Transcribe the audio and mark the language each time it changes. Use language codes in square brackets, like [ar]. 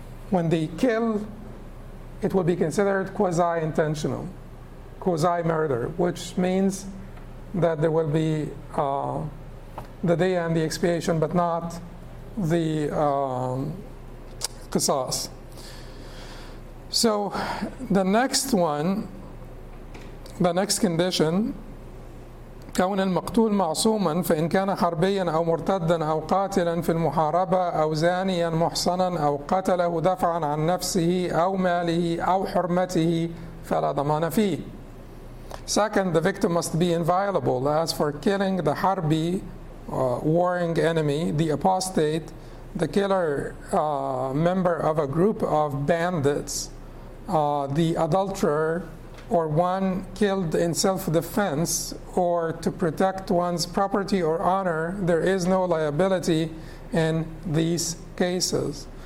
[en] When they kill, it will be considered quasi-intentional, quasi-murder, which means that there will be the day and the expiation, but not the qisas. So the next one, the next condition, [ar] كون المقتول معصوما فإن كان حربيا أو مرتدا أو قاتلا في المحاربة أو زانيا محصنا أو قتله دفعا عن نفسه أو ماله أو حرمته فلا ضمان فيه. [en] Second, the victim must be inviolable. As for killing the harbi, warring enemy, the apostate, the killer member of a group of bandits, the adulterer, or one killed in self-defense or to protect one's property or honor, there is no liability in these cases.